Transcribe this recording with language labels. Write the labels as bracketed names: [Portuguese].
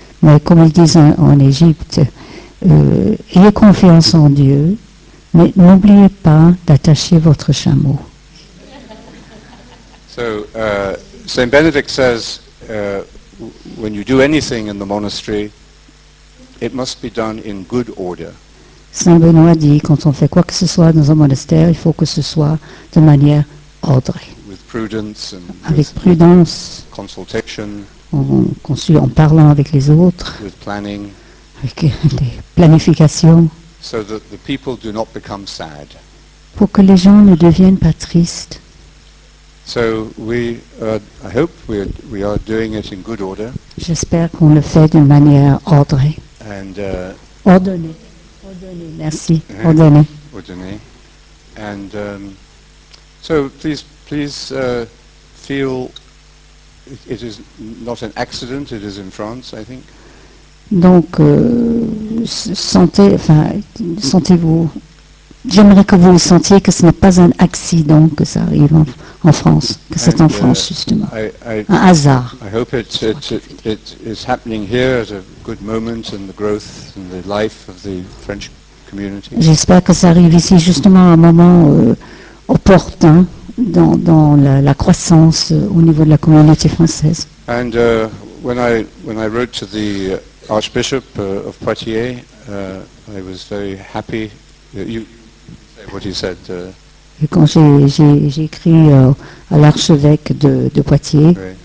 [French] Mais comme ils disent en Égypte, ayez confiance en Dieu, mais n'oubliez pas d'attacher votre chameau. [English] So, Saint Benedict says, when you do anything in the monastery, it must be done in good order. [French] Saint Benoît dit, quand on fait quoi que ce soit dans un monastère, il faut que ce soit de manière ordrée. [English] With prudence and [French] avec prudence. [English] Consultation. [French] En parlant avec les autres, [English] with planning, [French] avec les planifications, [English] so that the people do not become sad. [French] Pour que les gens ne deviennent pas tristes. [English] So I hope we are doing it in good order. [French] J'espère qu'on le fait d'une manière ordonnée. [English] And, [French] ordonnée. Merci. Ordonnée. [English] Ordonnée. And so please feel. It is not an accident, it is in France, I think. [French] Donc, sentez-vous, j'aimerais que vous sentiez que ce n'est pas un accident que ça arrive en France, que c'est en France, justement, un hasard. [English] I hope it is happening here at a good moment in the growth and the life of the French community. [French] J'espère que ça arrive ici, justement, à un moment opportun. Dans la croissance au niveau de la communauté française. [English] And when I wrote to the Archbishop of Poitiers, I was very happy. You say what he said. [French] Et quand j'ai écrit à l'archevêque de Poitiers.